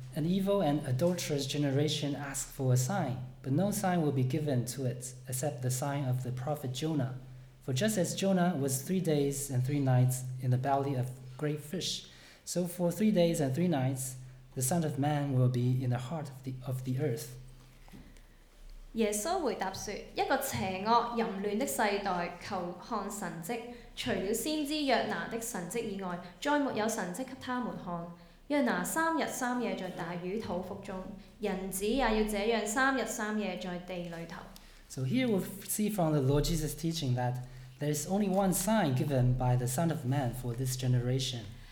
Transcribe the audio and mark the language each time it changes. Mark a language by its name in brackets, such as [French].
[English] An evil and adulterous generation asks for a sign, but no sign will be given to it except the sign of the prophet Jonah. For just as Jonah was 3 days and three nights in the belly of great fish, so for 3 days and three nights, the Son of Man will be in the heart of the earth. [Chinese] 耶稣回答说,一个邪恶淫乱的世代求看神迹,除了先知约拿的神迹以外,再没有神迹给他们看,约拿三日三夜在大雨土腹中,人子也要这样三日三夜在地里头。 [English] So here we see from the Lord Jesus' teaching that there is only one sign given by the Son of Man for this generation.